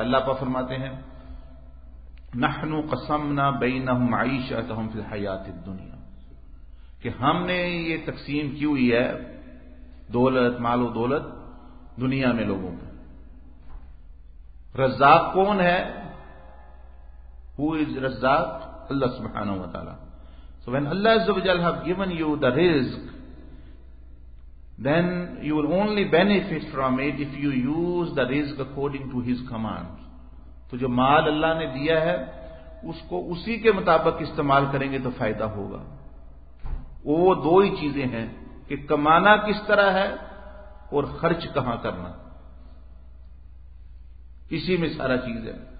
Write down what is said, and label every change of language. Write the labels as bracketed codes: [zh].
[ur] اللہ پاک فرماتے ہیں، [ar] نحنو قسمنا بینہم معیشتہم فی الحیات الدنیا، [ur] کہ ہم نے یہ تقسیم کی ہوئی ہے دولت، مال و دولت دنیا میں لوگوں میں. رزاق کون ہے؟ [en] Who is [ur] رزاق؟ اللہ سبحانہ وتعالی. [en] So when Allah عز و جل have given you the rizq, then you will only benefit from it if you use the rizq according to His command. [ur] تو جو مال اللہ نے دیا ہے اس کو اسی کے مطابق استعمال کریں گے تو فائدہ ہوگا. وہ دو ہی چیزیں ہیں کہ کمانا کس طرح ہے اور خرچ کہاں کرنا، اسی میں سارا چیز ہے.